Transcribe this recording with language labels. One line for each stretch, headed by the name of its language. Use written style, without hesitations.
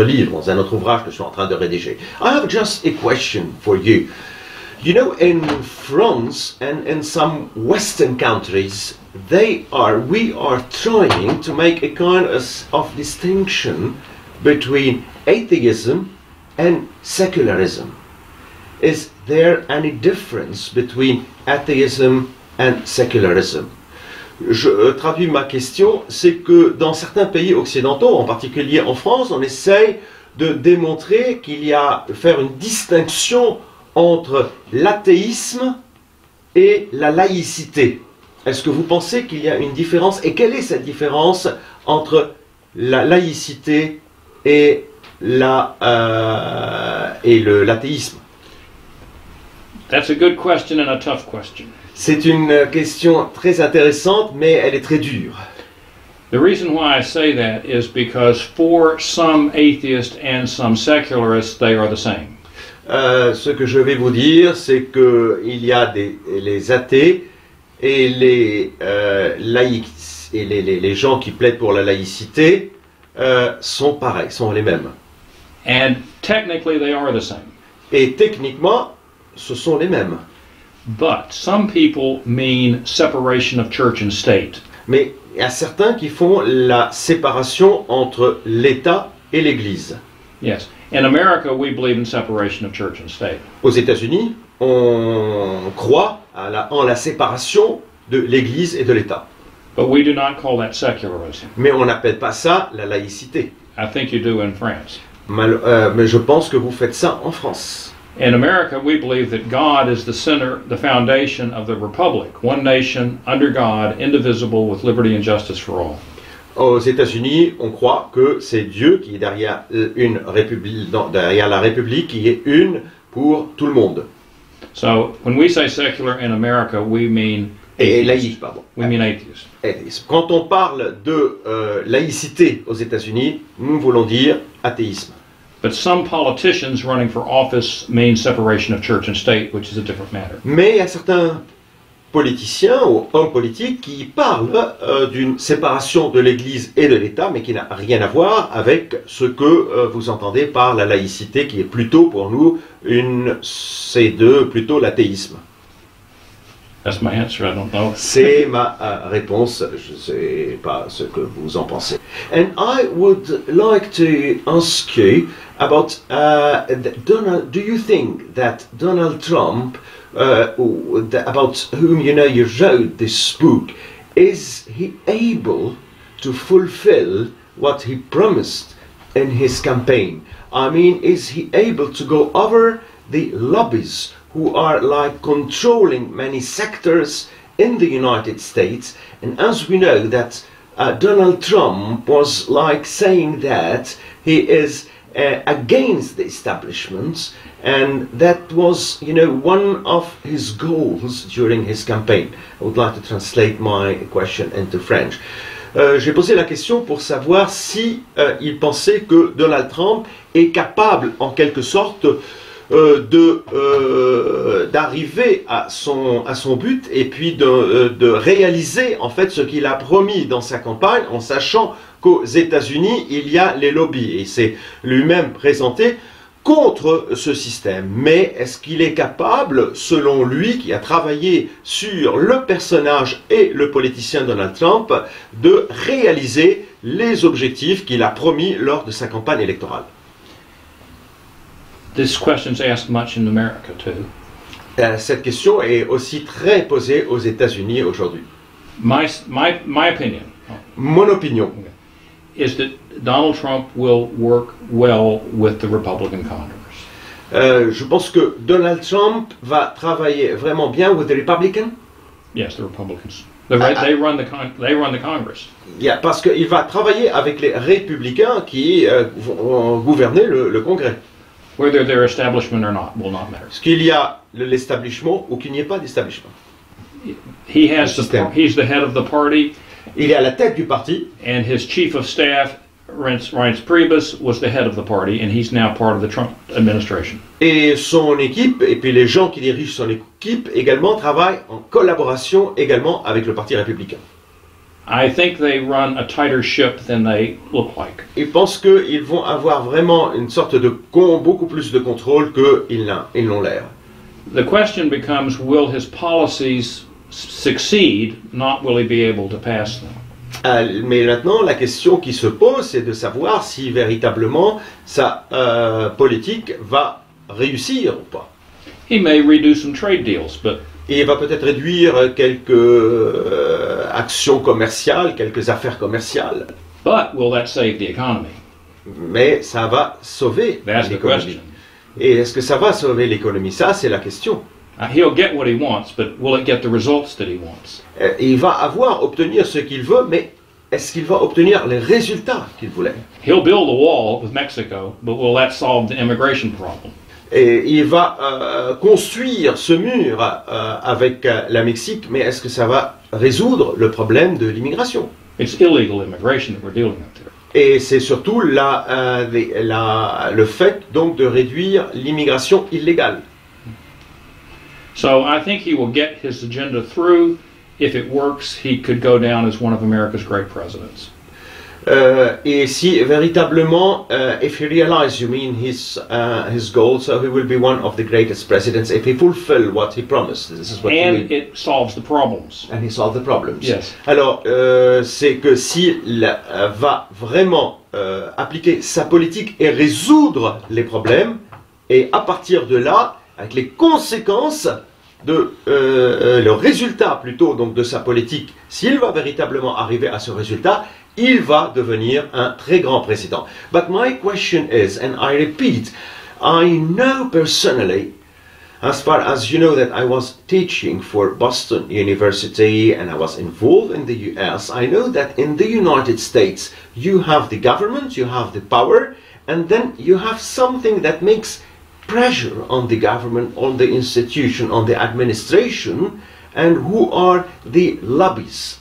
French: dans un autre ouvrage que je suis en train de rédiger.
English: I have just a question for you. You know, in France and in some Western countries, we are trying to make a kind of distinction between atheism and secularism. Is there any difference between atheism and secularism?
French: Je traduis ma question, c'est que dans certains pays occidentaux, en particulier en France, on essaye de démontrer qu'il y a, faire une distinction entre l'athéisme et la laïcité. Est-ce que vous pensez qu'il y a une différence? Et quelle est cette différence entre la laïcité et l'athéisme?
English: That's a good question and a tough question.
French: C'est une question très intéressante, mais elle est très dure.
English: The reason why I say that is because for some atheists and some secularists, they are the same.
French: Ce que je vais vous dire, c'est qu'il y a les athées et les gens qui plaident pour la laïcité sont pareils, sont les mêmes.
English: And technically they are the same.
French: Et techniquement, ce sont les mêmes.
English: But some people mean separation of church and state.
French: Mais il y a certains qui font la séparation entre l'État et l'Église.
English: Yes. In America, we believe in separation of church and state.
French: Aux États-Unis, on croit en la séparation de l'Église et de l'État.
English: But we do not call that secularism.
French: Mais on n'appelle pas ça la laïcité.
English: I think you do in France.
French: Mais je pense que vous faites ça en France.
English: In America, we believe that God is the center, the foundation of the republic, one nation under God, indivisible, with liberty and justice for all.
French: Aux États-Unis, on croit que c'est Dieu qui est derrière la République, qui est une pour tout le monde.
English: So, when we say secular in America, we mean atheism.
French: Quand on parle de laïcité aux États-Unis, nous voulons dire athéisme.
English: But some politicians running for office mean separation of church and state, which is a different matter.
French: Mais il y a certains politiciens ou hommes politiques qui parlent d'une séparation de l'Église et de l'État, mais qui n'a rien à voir avec ce que vous entendez par la laïcité, qui est plutôt pour nous plutôt l'athéisme.
English: That's my answer, I don't know.
French: C'est ma réponse, je ne sais pas ce que vous en pensez.
English: And I would like to ask you about Donald. Do you think that Donald Trump, about whom you know you wrote this book, is he able to fulfill what he promised in his campaign? I mean, is he able to go over the lobbies who are like controlling many sectors in the United States? And as we know that Donald Trump was like saying that he is against the establishment, and that was, you know, one of his goals during his campaign. I would like to translate my question into French.
French: J'ai posé la question pour savoir si il pensait que Donald Trump est capable en quelque sorte d'arriver à son but et puis de réaliser en fait ce qu'il a promis dans sa campagne, en sachant qu'aux États-Unis il y a les lobbies, et il s'est lui-même présenté contre ce système. Mais est-ce qu'il est capable, selon lui qui a travaillé sur le personnage et le politicien Donald Trump, de réaliser les objectifs qu'il a promis lors de sa campagne électorale?
English: This question is asked much in America too.
French: Cette question est aussi très posée aux États-Unis aujourd'hui.
English: My opinion.
French: Mon opinion.
English: Is that Donald Trump will work well with the Republican Congress.
French: Je pense que Donald Trump va travailler vraiment bien
English: with the Republicans. Yes, the Republicans. They run the Congress.
French: Yeah, parce qu'il va travailler avec les Républicains qui vont gouverner le Congrès.
English: Whether they're establishment or not will not matter.
French: Est-ce qu'il y a l'establishment ou qu'il n'y ait pas d'establishment?
English: He has the system. He's the head of the party.
French: Il est à la tête du parti.
English: And his chief of staff, Reince Priebus, was the head of the party, and he's now part of the Trump administration.
French: Et son équipe, et puis les gens qui dirigent son équipe, également travaillent en collaboration également avec le parti républicain.
English: I think they run a tighter ship than they look like.
French: Ils pensent que ils vont avoir vraiment une sorte de beaucoup plus de contrôle que ils l'ont l'air.
English: The question becomes, will his policies succeed, not will he be able to pass them?
French: Mais maintenant, la question qui se pose, c'est de savoir si véritablement sa politique va réussir ou pas.
English: He may reduce some trade deals, but...
French: Il va peut-être réduire quelques actions commerciales, quelques affaires commerciales.
English: But will that save the economy?
French: Mais ça va sauver
English: That's
French: l'économie.
English: The question.
French: Et est-ce que ça va sauver l'économie? Ça, c'est la question.
English: He'll get what he wants, but will it get the results that he wants?
French: Il va avoir obtenir ce qu'il veut, mais est-ce qu'il va obtenir les résultats qu'il voulait?
English: He'll build a wall with Mexico, but will that solve the immigration problem?
French: Et il va construire ce mur avec la Mexique, mais est-ce que ça va résoudre le problème de l'immigration?
English: It's illegal immigration that we're dealing with there.
French: Et c'est surtout le fait donc de réduire l'immigration illégale.
English: So I think he will get his agenda through. If it works, he could go down as one of America's great presidents.
French: Et si véritablement,
English: if he realizes, you mean his goal, so he will be one of the greatest presidents if he fulfill what he promised. This is what And he it solves the problems. And he solves the problems. Yes.
French: Alors, c'est que s'il va vraiment appliquer sa politique et résoudre les problèmes, et à partir de là, avec les conséquences de le résultat plutôt donc de sa politique, s'il va véritablement arriver à ce résultat, il va devenir un très grand président.
English: But my question is, and I repeat, I know personally, as far as you know, that I was teaching for Boston University and I was involved in the US, I know that in the United States you have the government, you have the power, and then you have something that makes pressure on the government, on the institution, on the administration, and who are the lobbies?